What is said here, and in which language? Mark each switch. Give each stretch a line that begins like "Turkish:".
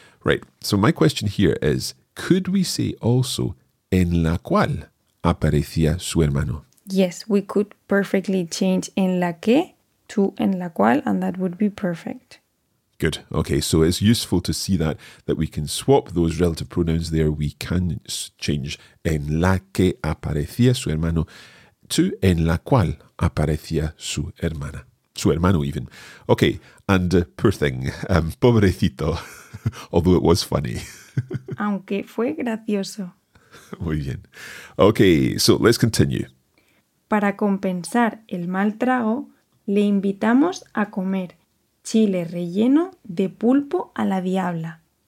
English: Right, so my question here is, could we say also
Spanish: en la cual aparecía su hermano?
English: Yes, we could perfectly change
Spanish: en la que
English: to
Spanish: en la cual,
English: and that would be perfect. Good. Okay, so it's useful to see that we can swap those relative pronouns there. We can change
Spanish: en la que aparecía su hermano
English: to
Spanish: en la cual aparecía su hermana.
English: Su hermano even. Okay, and poor thing, pobrecito, although it was funny.
Spanish: Aunque fue gracioso. Muy bien.
English: Okay, so let's continue.
Spanish: Para compensar el mal trago, le invitamos a comer chile relleno de pulpo a la diabla.